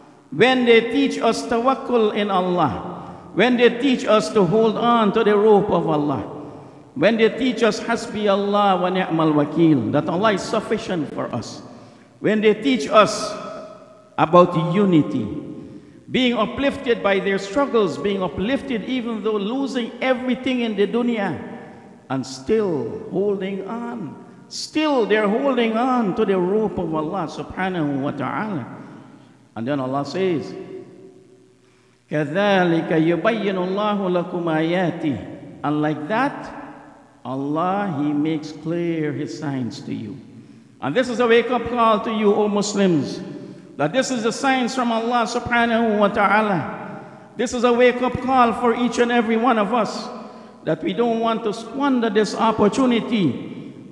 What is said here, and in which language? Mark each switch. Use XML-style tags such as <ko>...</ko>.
<en>When they teach us tawakkul in Allah, when they teach us to hold on to the rope of Allah, when they teach us</en> <ar>hasbi Allah wa ni'mal wakil,</ar> <en>that Allah is sufficient for us, when they teach us about unity, being uplifted by their struggles, being uplifted even though losing everything in the dunya, and still holding on, still they're holding on to the rope of Allah subhanahu wa ta'ala. And then Allah says,</en> <ar>كَذَلِكَ يُبَيِّنُ اللَّهُ لَكُمْ آيَاتِهِ.</ar> <en>And like that, Allah, He makes clear His signs to you. And this is a wake-up call to you, O Muslims, that this is the signs from Allah subhanahu wa ta'ala. This is a wake-up call for each and every one of us, that we don't want to squander this opportunity.</en>